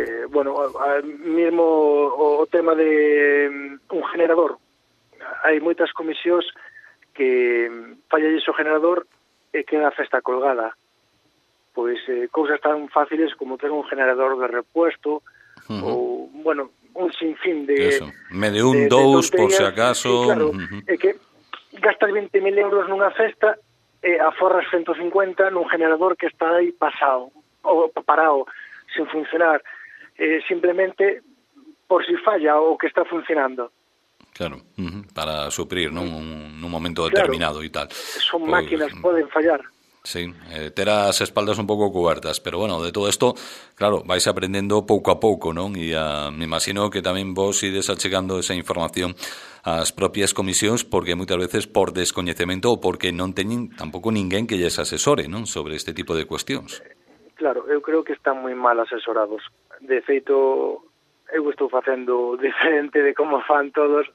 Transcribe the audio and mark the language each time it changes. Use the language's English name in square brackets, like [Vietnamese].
[Galician] Bueno, mismo o tema de un generador. Hai moitas comisións que falla o generador e queda a festa colgada. Pois cousas tan fáciles como ter un generador de repuesto, ou, bueno, un sinfín de... Eso, medio un, dous, por se acaso... Claro, é que gastas 20.000 euros nunha festa aforras 150 nun generador que está aí pasado ou parado, sen funcionar, simplemente por si falla o que está funcionando. [Spanish] Claro, para suprir, ¿no?, un momento determinado, claro, y tal. Son máquinas, pueden fallar. Sí, teras espaldas un poco cubiertas, pero bueno, de todo esto, claro, vais aprendiendo poco a poco, ¿no? Y me imagino que también [Galician] vos ides achegando esa información ás propias comisións, porque moitas veces por descoñecemento ou porque non teñen tampouco ninguén que lles asesore, non, sobre este tipo de cuestións. Claro, eu creo que están moi mal asesorados. De feito, eu estou facendo diferente de como fan todos.